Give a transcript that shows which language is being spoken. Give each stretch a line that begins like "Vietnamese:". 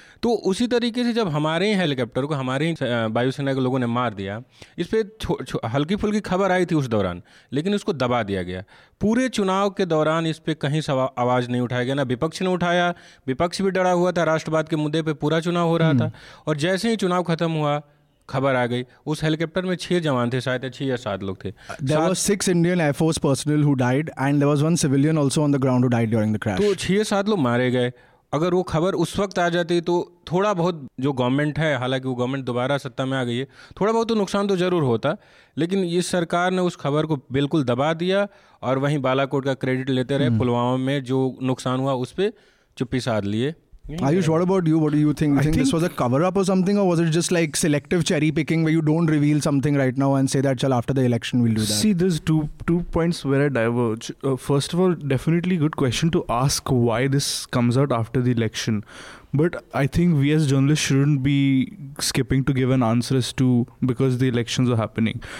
Hindi: तो उसी तरीके से जब हमारे ही हेलीकॉप्टर को हमारे ही वायुसेना के लोगों ने मार दिया, इस पर हल्की फुल्की खबर आई थी उस दौरान, लेकिन उसको दबा दिया गया. पूरे चुनाव के दौरान इस पर कहीं आवाज़ नहीं उठाया गया, ना विपक्ष ने उठाया. विपक्ष भी डरा हुआ था राष्ट्रवाद के मुद्दे पर, पूरा चुनाव हो रहा था. और जैसे ही चुनाव खत्म हुआ, खबर आ गई. उस हेलीकॉप्टर में 6 जवान थे, शायद 6 या 7 लोग थे.
English: There was 6 Indian Air Force personnel who died and there was one civilian also on the ground who died during the crash.
Hindi: तो 6 या 7 लोग मारे गए. अगर वो खबर उस वक्त आ जाती तो थोड़ा बहुत जो गवर्नमेंट है, हालांकि वो गवर्नमेंट दोबारा सत्ता में आ गई है, थोड़ा बहुत तो नुकसान तो जरूर होता. लेकिन इस सरकार ने उस खबर को बिल्कुल दबा दिया और वहीं बालाकोट का क्रेडिट लेते रहे. पुलवामा में जो नुकसान हुआ उस पर चुप्पी साध लिए.
English: Ayush, what about you? What do you think? I think this was a cover-up or something, or was it just like selective cherry-picking where you don't reveal something right now and say that, chal, after the election, we'll do that? See, there's two points where I diverge. First of all, definitely good question to ask why this comes out after the election. But I think we as journalists shouldn't be skipping to give an answer as to because the elections are happening.